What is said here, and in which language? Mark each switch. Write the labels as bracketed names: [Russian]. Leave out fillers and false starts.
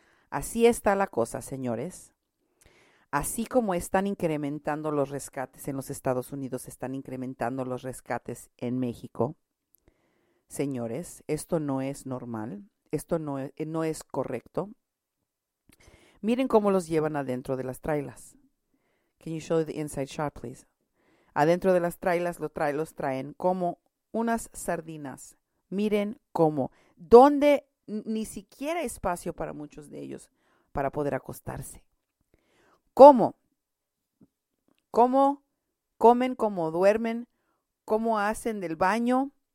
[Spanish] Así está la cosa, señores. Así como están incrementando los rescates en los Estados Unidos, están incrementando los rescates en México. Señores, esto no es normal, esto no es correcto. Miren cómo los llevan adentro de las trailas. [English] Can you show the inside shot, please? [Spanish] Adentro de las trailas los traen como unas sardinas. Miren cómo, donde ni siquiera espacio para muchos de ellos para poder acostarse. ¿Cómo comen, cómo duermen, cómo hacen del baño?